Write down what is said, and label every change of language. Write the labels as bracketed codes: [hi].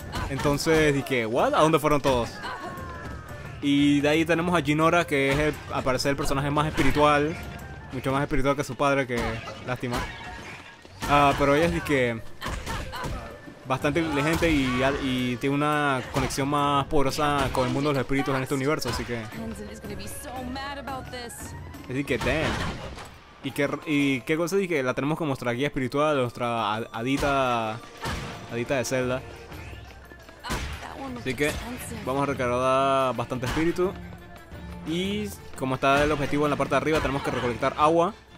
[es] Entonces, dije, ¿what? ¿A dónde fueron todos? Y de ahí tenemos a Jinora, que es al parecer el personaje más espiritual. Mucho más espiritual que su padre, que. Lástima. Pero ella es dije. Bastante inteligente y tiene una conexión más poderosa con el mundo de los espíritus en este universo, así que. [en] Tenzin is gonna be so mad about this. [es] Así que, damn. ¿Y qué cosa dije? La tenemos como nuestra guía espiritual, nuestra hadita de Zelda. Así que vamos a recargar bastante espíritu. Y como está el objetivo en la parte de arriba, tenemos que recolectar agua.